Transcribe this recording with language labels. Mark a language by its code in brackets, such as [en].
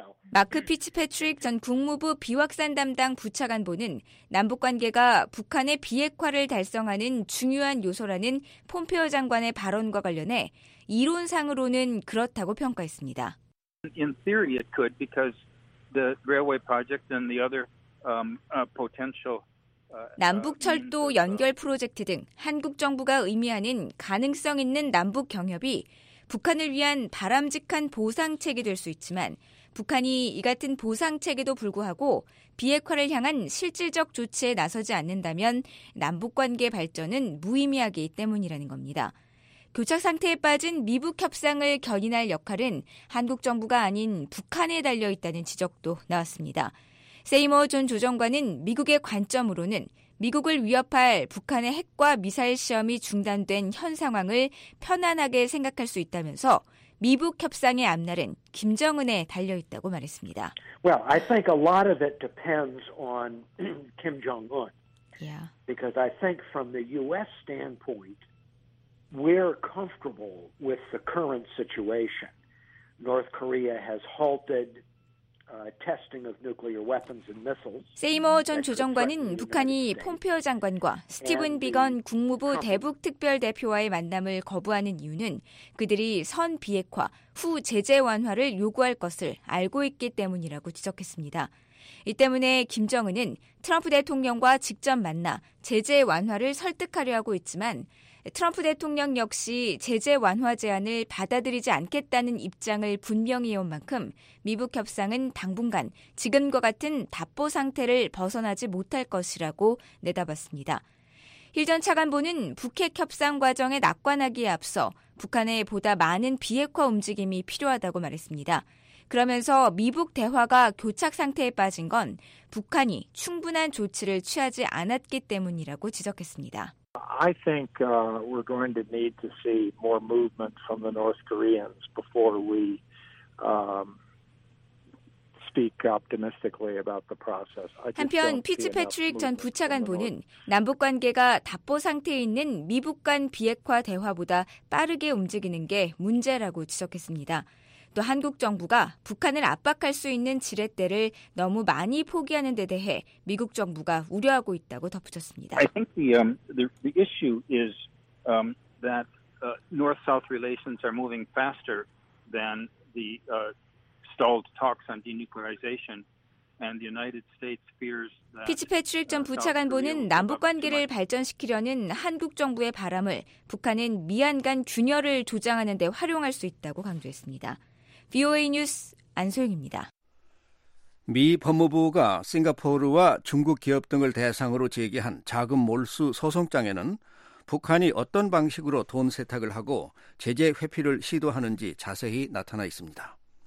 [ko] 마크 피츠패트릭 전 국무부 비확산 담당 부차관보는 남북관계가 북한의 비핵화를 달성하는 중요한 요소라는 폼페오 장관의 발언과 관련해 이론상으로는 그렇다고 평가했습니다. [en] In theory, it could because the railway project and the other potential [ko] 남북 철도 연결 프로젝트 등 한국 정부가 의미하는 가능성 있는 남북 경협이 북한을 위한 바람직한 보상책이 될 수 있지만 북한이 이 같은 보상책에도 불구하고 비핵화를 향한 실질적 조치에 나서지 않는다면 남북관계 발전은 무의미하기 때문이라는 겁니다. 교착상태에 빠진 미북 협상을 견인할 역할은 한국 정부가 아닌 북한에 달려있다는 지적도 나왔습니다. 세이머 존 조정관은 미국의 관점으로는 미국을 위협할 북한의 핵과 미사일 시험이 중단된 현 상황을 편안하게 생각할 수 있다면서 미북 협상의 앞날은 김정은에 달려 있다고 말했습니다. [en] Well, I think a lot of it depends on Kim Jong-un. Yeah. Because I think from the US standpoint, we're comfortable with the current situation. North Korea has halted testing of nuclear weapons and missiles. [ko] 세이머 전 조정관은 북한이 폼페오 장관과 스티븐 비건 국무부 대북 특별 대표와의 만남을 거부하는 이유는 그들이 선 비핵화 후 제재 완화를 요구할 것을 알고 있기 때문이라고 지적했습니다. 이 때문에 김정은은 트럼프 대통령과 직접 만나 제재 완화를 설득하려 하고 있지만 트럼프 대통령 역시 제재 완화 제안을 받아들이지 않겠다는 입장을 분명히 해온 만큼 미북 협상은 당분간 지금과 같은 답보 상태를 벗어나지 못할 것이라고 내다봤습니다. 힐 전 차관보는 북핵 협상 과정에 낙관하기에 앞서 북한에 보다 많은 비핵화 움직임이 필요하다고 말했습니다. 그러면서 미북 대화가 교착 상태에 빠진 건 북한이 충분한 조치를 취하지 않았기 때문이라고 지적했습니다. [en] I think we're going to need to see more movement from the North Koreans before we speak optimistically about the process. [ko] 한편 피츠패트릭 전 부차관보는 남북 관계가 답보 상태에 있는 미북 간 비핵화 대화보다 빠르게 움직이는 게 문제라고 지적했습니다. 또 한국 정부가 북한을 압박할 수 있는 지렛대를 너무 많이 포기하는 데 대해 미국 정부가 우려하고 있다고 덧붙였습니다. [en] I think the issue is that North-South relations are moving faster than the stalled talks on denuclearization. [ko] 피츠패트릭 전 부차관보는 남북관계를 발전시키려는 한국 정부의 바람을 북한은 미안간 균열을 조장하는 데 활용할 수 있다고 강조했습니다. VOA 뉴스 안소영입니다. 미 법무부가 싱가포르와 중국 기업 등을 대상으로 제기한 자금 몰수 소송장에는 북한이 어떤 방식으로 돈 세탁을 하고 제재 회피를 시도하는지 자세히 나타나 있습니다.